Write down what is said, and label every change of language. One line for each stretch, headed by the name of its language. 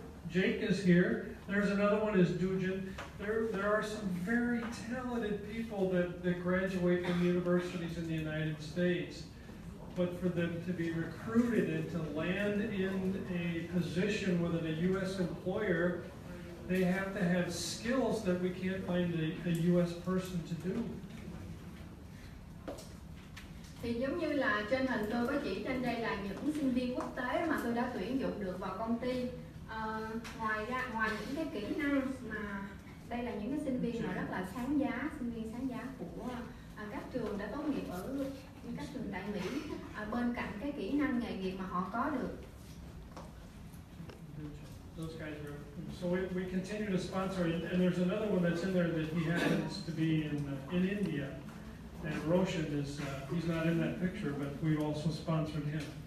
English: Jake is here. There's another one is Dujin. There are some very talented people that graduate from universities in the United States. But for them to be recruited and to land in a position within a U.S. employer, they have to have skills that we can't find a U.S. person to do.
Vietnamese: Thì giống như là trên hình tôi có chỉ trên đây là những sinh viên quốc tế mà tôi đã tuyển dụng được vào công ty. Ngoài những cái kỹ năng mà đây là những cái sinh viên mà rất là sáng giá, sinh viên sáng giá của các trường đã tốt nghiệp ở các trường tại Mỹ. Bên cạnh cái kỹ năng nghề nghiệp mà họ có được.
English: Those guys are, so we continue to sponsor, and there's another one that's in there that he happens to be in India. And Roshan is, he's not in that picture, but we also sponsored him.